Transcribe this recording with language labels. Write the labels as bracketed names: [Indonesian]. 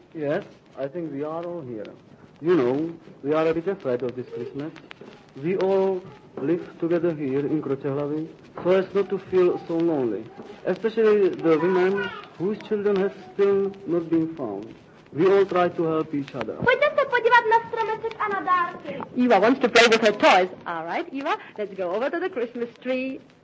[English] Yes, I think we are all here. You know, we are a bit afraid of this Christmas. We all live together here in Krotehlavy, so as not to feel so lonely, especially the women whose children have still not been found. We all try to help each other. [Czech] Pojďte se podívat na stromeček a na dárky. [English] Eva wants to play with her toys. All right, Eva, let's go over to the Christmas tree.